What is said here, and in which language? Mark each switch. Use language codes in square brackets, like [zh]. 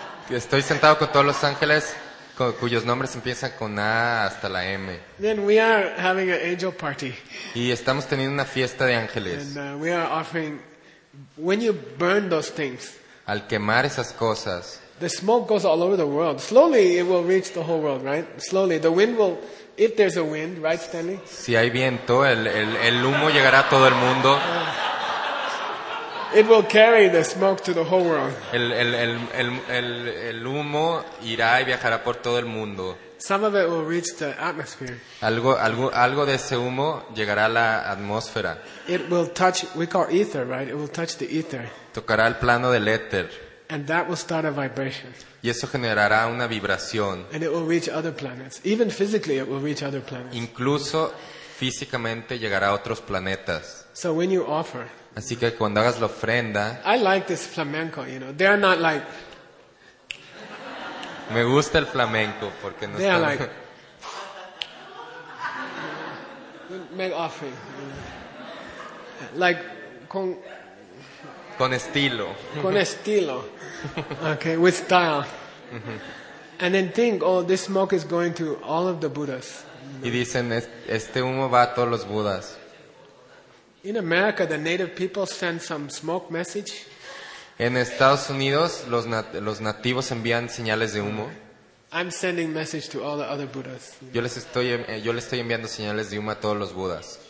[es] Estoy sentado con todos los ángeles cuyos nombres empiezan con A hasta la M. [en] Then we are having an angel party. [es] Y estamos teniendo una fiesta de ángeles. [en] And we are offering when you burn those things. [es] Al quemar esas cosas. [en] The smoke goes all over the world. Slowly it will reach the whole world, right? Slowly the wind will. If there's a wind, right, Stanley? [es] Si hay viento, el humo llegará a todo el mundo. [en] It will carry the smoke to the whole world. [es] El humo irá y viajará por todo el mundo. [en] Some of it will reach the atmosphere. [es] Algo de ese humo llegará a la atmósfera. [en] It will touch. We call ether, right? It will touch the ether. [es] Tocará el plano del éter. [en] And that will start a vibration. [es] Y eso generará una vibración. [en] And it will reach other planets. Even physically, it will reach other planets. [es] Incluso físicamente llegará a otros planetas. [en] So when you offer. [es] Así que cuando hagas la ofrenda. [en] I like this flamenco. You know, they are not like. [es] Me gusta el flamenco porque no. [en] They [es] están... [en] are like. Make offering. Like con. [es] Con estilo. Con estilo. [en] Okay, with style. And then think, oh, this smoke is going to all of the Buddhas. [es] Y dicen, este humo va a todos los Budas. [en] In America, the native people send some smoke message. [es] En Estados Unidos, los nativos envían señales de humo. [en] I'm sending message to all the other Buddhas. [es] Yo les estoy enviando señales de humo a todos los Budas.